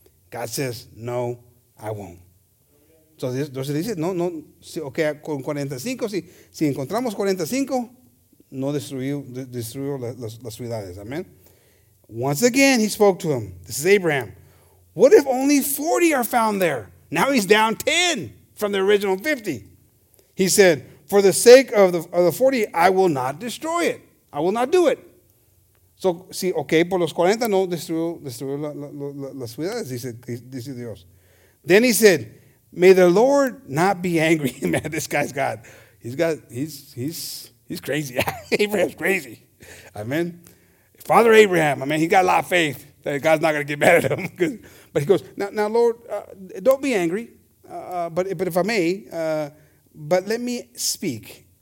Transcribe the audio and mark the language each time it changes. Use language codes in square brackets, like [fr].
[en] God says, no, I won't. [es] So entonces dice, no, si, okay, con 45, si encontramos 45, no destruyo las ciudades. Amen. [en] Once again, he spoke to him. This is Abraham. What if only 40 are found there? Now he's down 10 from the original 50. He said, for the sake of the 40, I will not destroy it. I will not do it. [es] So, si, okay, por los 40, no destruyo las ciudades, dice Dios. [en] Then he said, may the Lord not be angry. Man, this guy's God. He's crazy. Abraham's crazy. Amen. Father Abraham, I mean, he got a lot of faith that God's not going to get mad at him. But he goes, now Lord, don't be angry, but if I may, but let me speak.